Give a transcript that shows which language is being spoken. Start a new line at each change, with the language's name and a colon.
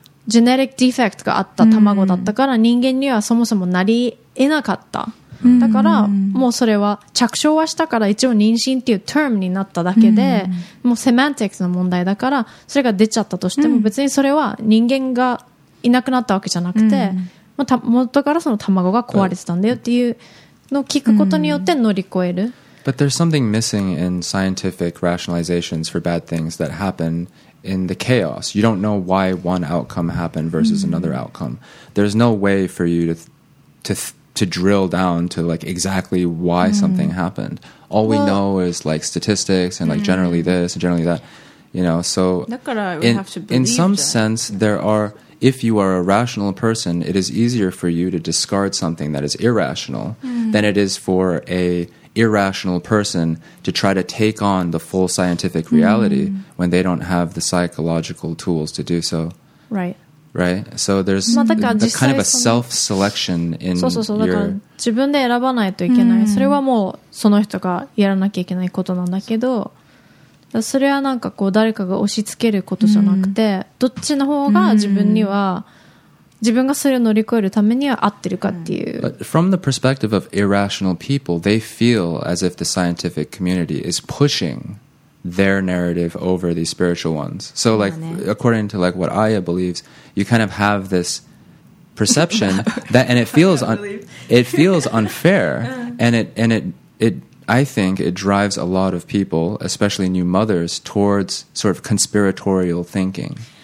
Japanese: ジェネリックディフェクトがあった卵だったから、うん、人間にはそもそもなり得なかった、うん、だからもうそれは着床はしたから一応妊娠っていうテームになっただけで、うん、もうセマンティックスの問題だからそれが出ちゃったとしても、うん、別にそれは人間がいなくなったわけじゃなくて、うん、元からその卵が壊れてたんだよっていうのを聞くことによって乗り越える。
English: But there's something missing in scientific rationalizations for bad things that happen in the chaos. You don't know why one outcome happened versus another outcome. There's no way for you to drill down to like exactly why something happened. All we know is like statistics and like generally this and generally that. You know, so in some sense there are. If you are a rational person, it is easier for you to discard something that is irrational、mm. than it is for a irrational person to try to take on the full scientific reality、mm. when they don't have the psychological tools to do so. Right. Right? So there's、まあ、the kind of a self-selection in
Japanese: そうそうそう your... 自分で選ばないといけない、mm. それはもうその人がやらなきゃいけないことなんだけど、それはなんかこう誰かが押し付けることじゃなくて、うん、どっちの方が自分には、うん、自分がそれを乗り越えるためには合ってるかっていう。
English: But from the perspective of irrational people, they feel as if the scientific community is pushing their narrative over these spiritual ones. So like、ね、according to like what Aya believes, you kind of have this perception that and it feels unfair and it I think it drives a lot of people, especially new mothers, towards sort of conspiratorial thinking.